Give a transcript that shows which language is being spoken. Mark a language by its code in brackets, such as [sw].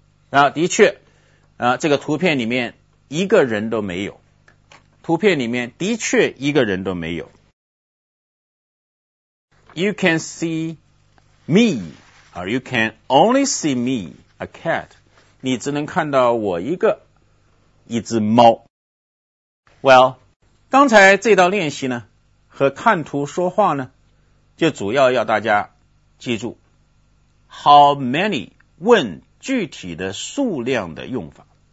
[zh] 啊，的确，啊，这个图片里面一个人都没有。图片里面的确一个人都没有。 [en] You can see me, or you can only see me, a cat. [zh] 你只能看到我一个，一只猫。 [en] Well, [zh] 刚才这道练习呢，和看图说话呢，就主要要大家记住 [en] how many [zh] 问具体的数量的用法。